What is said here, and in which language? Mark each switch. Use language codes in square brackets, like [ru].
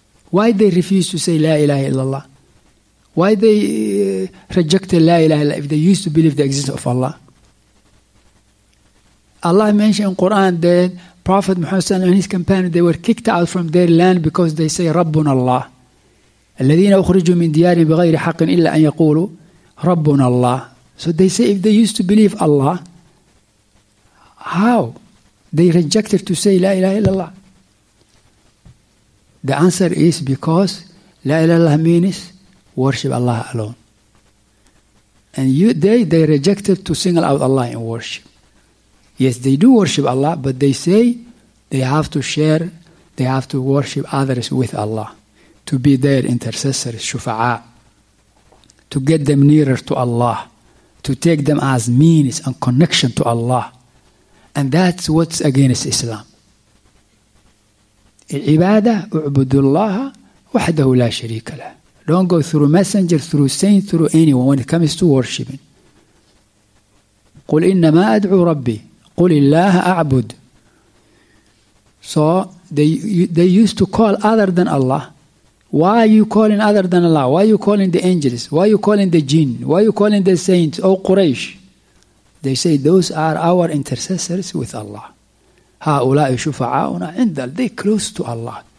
[en] Why they refuse to say La ilaha illallah? Why they rejected La ilaha illallah if they used to believe the existence of Allah? Allah mentioned in Quran that Prophet Muhammad and his companions, they were kicked out from their land because they say Rabbun Allah. [ar] الَّذِينَ أُخْرِجُوا مِنْ دِيَارٍ بِغَيْرِ حَقٍ إِلَّا أَنْ يَقُولُوا Rabbun Allah. [en] So they say if they used to believe Allah, how? They rejected to say La ilaha illallah. The answer is because La ilaha illallah means worship Allah alone. And they rejected to single out Allah in worship. Yes, they do worship Allah, but they say they have to share, they have to worship others with Allah to be their intercessors, shufa'a, to get them nearer to Allah, to take them as means and connection to Allah. And that's what's against Islam. [ar] العبادة اعبد الله وحده لا شريك له. [en] Don't go through messenger, through saint, through anyone when it comes to worshiping. [ar] قل إنما أدعو ربي قل الله أعبد. [en] So they used to call other than Allah. Why are you calling other than Allah? Why are you calling the angels? Why are you calling the jinn? Why are you calling the saints? Oh Quraysh. They say those are our intercessors with Allah. [ar] هؤلاء شفعاؤنا عند الله. [en] They close to Allah.